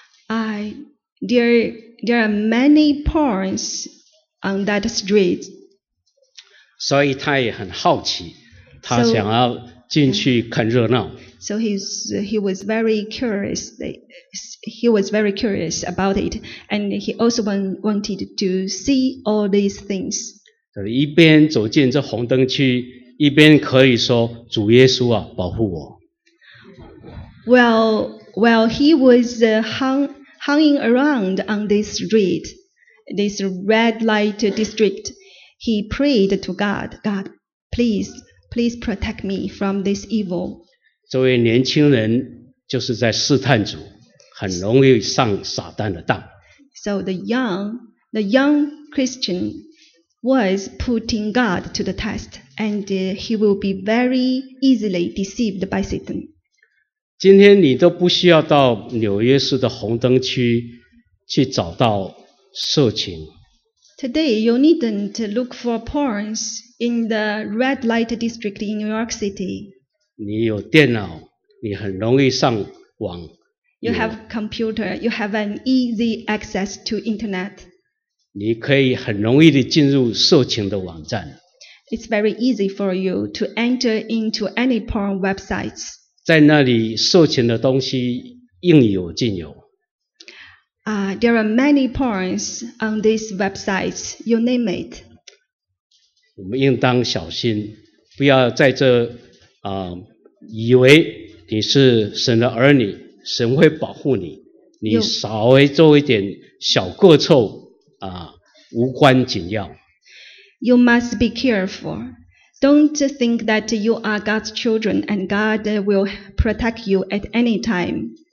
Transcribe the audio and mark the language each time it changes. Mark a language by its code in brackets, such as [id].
[en] There are many porns on that street. [zh] 所以他也很好奇，他想要进去看热闹。 [en] So he was very curious about it, and he also wanted to see all these things. [zh] 一边走进这红灯区，一边可以说主耶稣啊，保护我。 [en] Well, he was hanging around on this street, this red light district. He prayed to God, God, please protect me from this evil. [zh] 这位年轻人就是在试探主，很容易上撒旦的当。 [en] So the young Christian was putting God to the test, and he will be very easily deceived by Satan. [zh] 今天你都不需要到纽约市的红灯区去找到色情。 [en] Today you needn't look for porns in the red light district in New York City. [zh] 你有电脑，你很容易上网。 [en] You have computer, you have an easy access to internet. [zh] 你可以很容易地进入色情的网站。 [en] It's very easy for you to enter into any porn websites. [zh] 在那里，色情的东西应有尽有。 [en] There are many porns on these websites, you name it. [zh] 我们应当小心，不要在这以为你是神的儿女，神会保护你。你稍微做一点小过错啊，无关紧要。 [en] You must be careful. Don't think that you are God's children and God will protect you at any time.